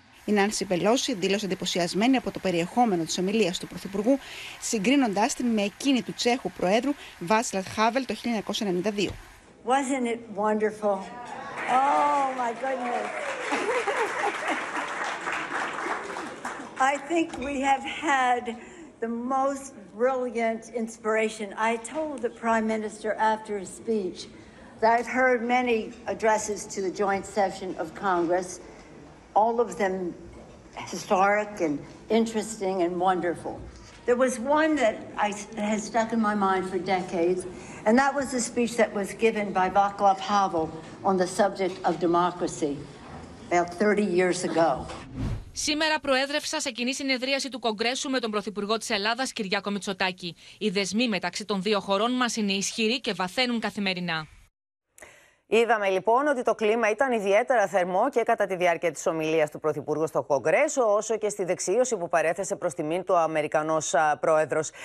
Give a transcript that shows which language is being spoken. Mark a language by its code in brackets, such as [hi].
[el] Η Νάνση Πελόση δήλωσε εντυπωσιασμένη από το περιεχόμενο της ομιλίας του Πρωθυπουργού, συγκρίνοντάς την με εκείνη του Τσέχου Προέδρου Βάτσλαβ Χάβελ το 1992. [en] Wasn't it wonderful? Oh my goodness. I think we have had the most brilliant inspiration. I told the Prime Minister after his speech that I've heard many addresses to the joint session of Congress, all of them historic and interesting and wonderful. There was one that has stuck in my mind for decades, and that was the speech that was given by Vaclav Havel on the subject of democracy about 30 years ago. [el] Σήμερα προέδρευσα σε κοινή συνεδρίαση του Κογκρέσου με τον Πρωθυπουργό της Ελλάδας, Κυριάκο Μητσοτάκη. Οι δεσμοί μεταξύ των δύο χωρών μας είναι ισχυροί και βαθαίνουν καθημερινά. Είδαμε λοιπόν ότι το κλίμα ήταν ιδιαίτερα θερμό και κατά τη διάρκεια της ομιλίας του Πρωθυπουργού στο Κογκρέσο, όσο και στη δεξίωση που παρέθεσε προς τιμήν του Αμερικανός Πρόεδρος.